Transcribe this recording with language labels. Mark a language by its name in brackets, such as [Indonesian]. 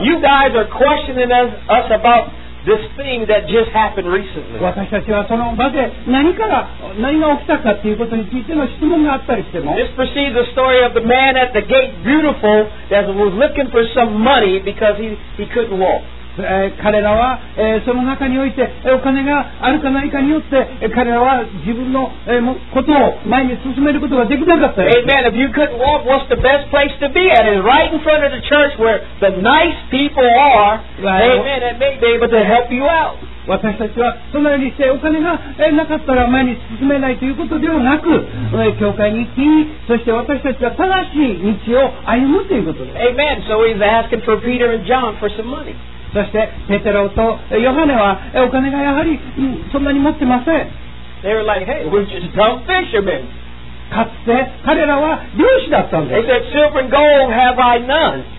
[English] You guys are questioning us about this thing that just happened recently. [Japanese] 私たちはその場で何から何が起きたかということについての質問があったりしても [English] This precedes the story of the man at the gate beautiful that was looking for some money because he couldn't walk. [Japanese] 彼らは、その中においてお金があるかないかによって彼らは自分の、ことを前に進めることができなかった。 [English] Amen. If you couldn't walk, what's the best place to be at? It's right in front of the church where the nice people are. Amen. And may be able to help you out. [Japanese] 私たちはそのようにしてお金がなかったら前に進めないということではなく、教会に行き、そして私たちは正しい道を歩むということです。 [English] Amen. So he's asking for Peter and John for some money. [Japanese] そしてペテロとヨハネはお金がやはりそんなに持ってません。 [English] They were like, hey, we're just dumb fishermen. [Japanese] かつて彼らは漁師だったんです。 [English] They said, silver and gold have I none.